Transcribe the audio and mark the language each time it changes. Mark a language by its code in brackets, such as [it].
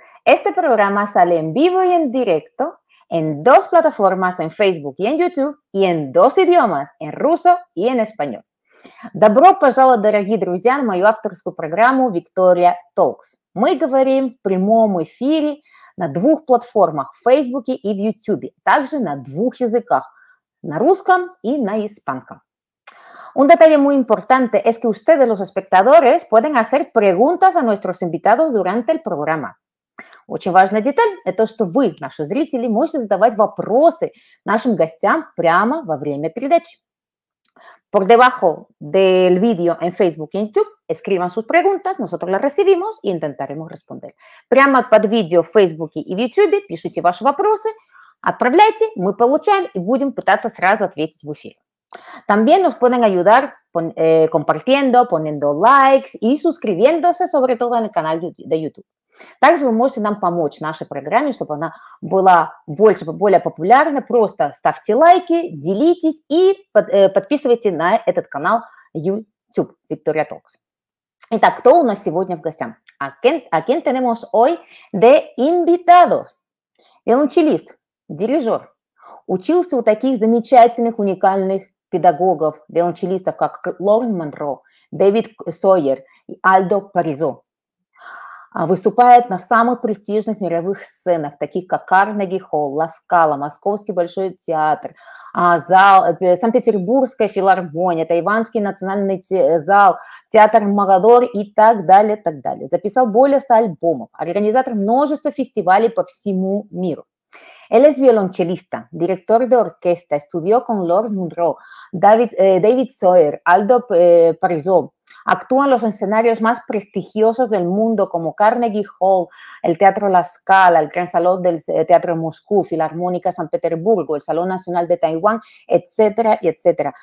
[es] Este programa sale en vivo y en directo en dos plataformas, en Facebook y en YouTube, y en dos idiomas, en ruso y en español. [ru] Добро пожаловать, дорогие друзья, на мою авторскую программу Victoria Talks. Мы говорим в прямом эфире на двух платформах, в Facebook и в YouTube, также на двух языках. На русском и на испанском. [es] Un detalle muy importante es que ustedes, los espectadores, pueden hacer preguntas a nuestros invitados durante el programa. [ru] Очень важная деталь – это что вы, наши зрители, можете задавать вопросы нашим гостям прямо во время передачи. [es] Por debajo del video en Facebook y en YouTube, escriban sus preguntas, nosotros las recibimos y intentaremos responder. [ru] Прямо под видео в Facebook и в YouTube пишите ваши вопросы, отправляйте, мы получаем и будем пытаться сразу ответить в эфире. [es] También nos pueden ayudar compartiendo, poniendo likes y suscribiéndose, sobre todo en el canal de YouTube. [ru] Также вы можете нам помочь нашей программе, чтобы она была больше, более популярна. Просто ставьте лайки, делитесь и подписывайтесь на этот канал YouTube Victoria Talks. Итак, кто у нас сегодня в гостях? [es] A quién tenemos hoy de invitados? [ru] Виолончелист. Дирижер. Учился у таких замечательных, уникальных педагогов, виолончелистов, как Лорен Монро, Дэвид Сойер и Альдо Паризо. Выступает на самых престижных мировых сценах, таких как Карнеги Холл, Ла Скала, Московский большой театр, зал, Санкт-Петербургская филармония, Тайваньский национальный зал, театр Магадор и так далее, так далее. Записал более 100 альбомов, организатор множества фестивалей по всему миру. [es] Él es violonchelista, director de orquesta, estudió con Lorne Munro, David Sawyer, Aldo Parizó. Actúa en los escenarios más prestigiosos del mundo como Carnegie Hall, el Teatro La Scala, el Gran Salón del Teatro de Moscú, Filarmónica San Petersburgo, el Salón Nacional de Taiwán, etcétera y etcétera.